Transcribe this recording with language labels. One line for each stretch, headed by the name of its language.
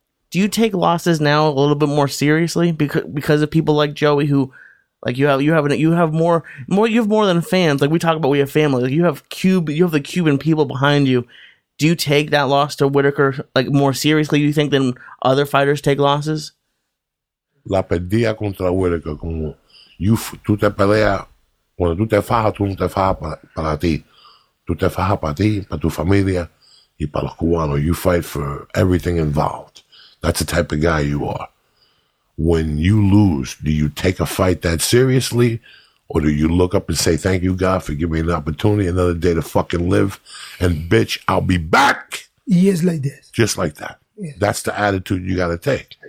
English: Do you take losses now a little bit more seriously because of people like Joey who, like you have more than fans. Like we talk about, we have family. Like you have the Cuban people behind you. Do you take that loss to Whitaker like more seriously? You think than other fighters take losses?
Spanish: La perdida contra Whitaker como tú te peleas cuando tú no te fajas para ti, tú te fajas para ti, para tu familia y para los cubanos.
English: You fight for everything involved. That's the type of guy you are. When you lose, do you take a fight that seriously? Or do you look up and say, thank you, God, for giving me an opportunity, another day to fucking live? And bitch, I'll be back! Yes, like this. Just like that. Yes. That's the attitude you gotta take.